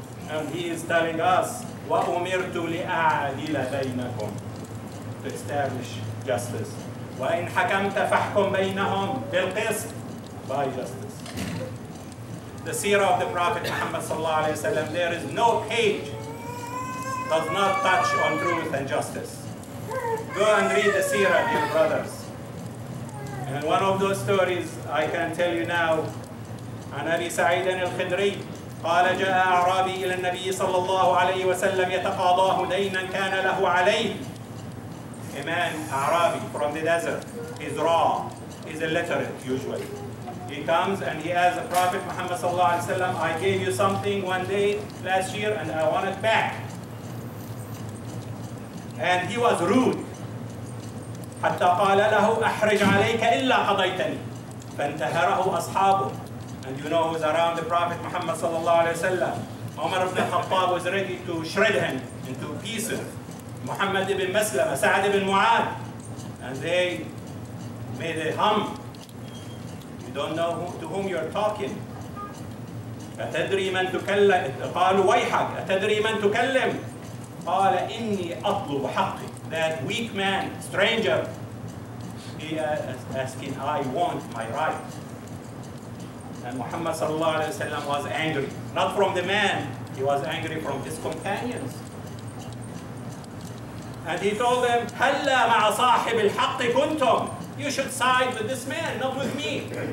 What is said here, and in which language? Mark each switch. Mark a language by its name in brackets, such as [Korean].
[English] And he is telling us, [Arabic] وَأُمِرْتُ لِأَعْدِلَ بَيْنَكُمْ, [English] to establish justice. [Arabic] وَإِنْ حَكَمْتَ فَحْكُمْ بَيْنَهُمْ بِالْقِسْطِ, [English] by justice. The seerah of the Prophet Muhammad sallallahu alayhi wa sallam, there is no page does not touch on truth and justice. Go and read the seerah, dear brothers. And one of those stories I can tell you now, [Arabic] عن أبي سعيد الخدري قال جاء أعرابي إلى النبي صلى الله عليه وسلم يتقاضاه دينا كان له عليه. [English] A man, Arabi, from the desert, is raw, is illiterate usually. He comes and he asks the Prophet Muhammad sallallahu alayhi wa sallam, I gave you something one day last year and I want it back. And he was rude. [Arabic] حتى قال له أحرج عليك إلا قضيتني فانتهره أصحابه. [English] And you know who's around the Prophet Muhammad sallallahu alayhi wa sallam. Umar ibn Khattab was ready to shred him into pieces. Muhammad ibn Maslam, Sa'd ibn Mu'ad. And they made a hum. You don't know who, to whom you're talking. [Arabic] أتدري من تكلم؟ قالوا ويحك. أتدري من تكلم؟ قال إني أطلب حقي. [English] That weak man, stranger, he asking, I want my right. And Muhammad sallallahu alayhi wa sallam was angry. Not from the man, he was angry from his companions. And he told them, [Arabic] هَلَّا مَعَ صَاحِبِ الْحَقِّ كُنْتُمْ, [English] you should side with this man, not with me.